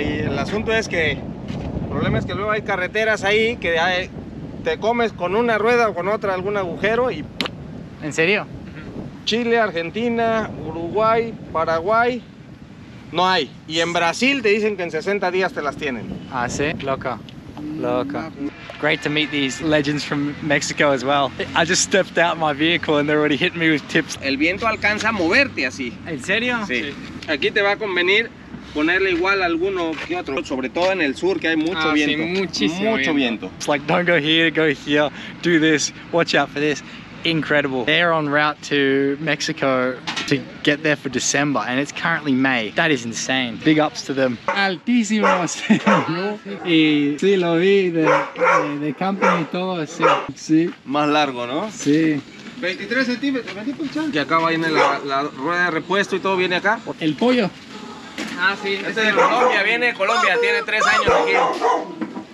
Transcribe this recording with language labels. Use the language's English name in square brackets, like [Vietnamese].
[Spanish] Y el asunto es que, luego hay carreteras ahí que hay, te comes con una rueda o con otra algún agujero y... ¿En serio? Chile, Argentina, Uruguay, Paraguay, no hay. Y en Brasil te dicen que en 60 días te las tienen. Ah, sí? Loco. [English] Great to meet these legends from Mexico as well. I just stepped out my vehicle and they're already hitting me with tips. [Spanish] El viento alcanza a moverte así. ¿En serio? Sí. Aquí te va a convenir ponerle igual alguno que otro, sobre todo en el sur que hay mucho viento. Sí, muchísimo mucho viento. [English] It's like, don't go here, go here, do this, watch out for this. Incredible. They're on route to Mexico to get there for December and it's currently May. That is insane. Big ups to them. [Spanish] Altísimos. Y sí, lo vi de camping y todo, sí. Sí. Más largo, ¿no? Sí. 23 centímetros, 20 pulgadas. Y acá va en la rueda de repuesto y todo viene acá. El pollo. Ah, sí. Este es de Colombia, viene de Colombia, tiene 3 años aquí.